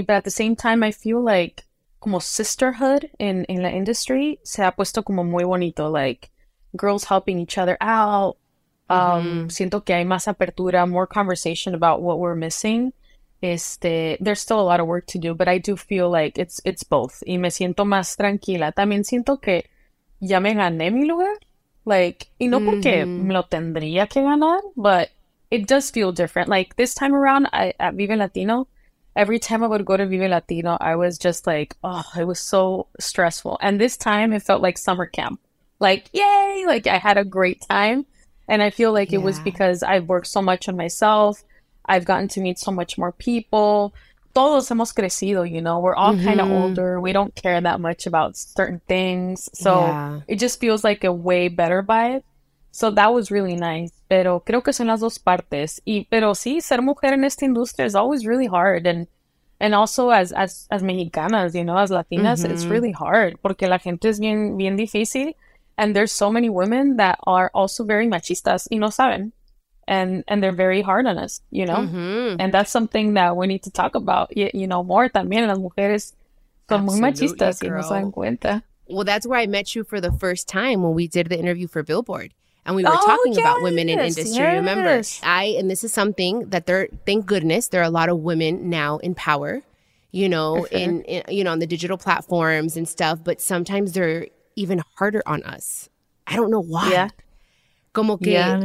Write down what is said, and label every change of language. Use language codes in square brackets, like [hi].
[en] But at the same time, I feel like, como sisterhood in the industry, [es] se ha puesto como muy bonito, [en] like, girls helping each other out. Mm-hmm. [es] Siento que hay más apertura, [en] more conversation about what we're missing. There's still a lot of work to do, but I do feel like it's both. [es] Y me siento más tranquila. También siento que ya me gané mi lugar. Like, y no mm-hmm. porque me lo tendría que ganar, [en] but it does feel different. Like, this time around at Vive Latino, every time I would go to Vive Latino, I was just like, oh, it was so stressful. And this time it felt like summer camp. Like, yay, like, I had a great time. And I feel like yeah. it was because I've worked so much on myself. I've gotten to meet so much more people. [es] Todos hemos crecido, [en] you know, we're all mm-hmm. kind of older. We don't care that much about certain things. So yeah. it just feels like a way better vibe. So that was really nice. [es] Pero creo que son las dos partes. Pero sí, ser mujer en esta industria [en] is always really hard. And also as Mexicanas, you know, as Latinas, mm-hmm. it's really hard. [es] Porque la gente es bien, bien difícil. [en] And there's so many women that are also very machistas, [es] y no saben. [en] And they're very hard on us, you know? Mm-hmm. And that's something that we need to talk about, you know, more también. [es] Las mujeres son absolutely, muy machistas, girl. Y no se dan cuenta. [en] Well, that's where I met you for the first time when we did the interview for Billboard. And we were talking about women in industry, yes. remember? And this is something that thank goodness, there are a lot of women now in power, you know, sure. in you know, on the digital platforms and stuff. But sometimes they're even harder on us. I don't know why. Yeah. Como que yeah.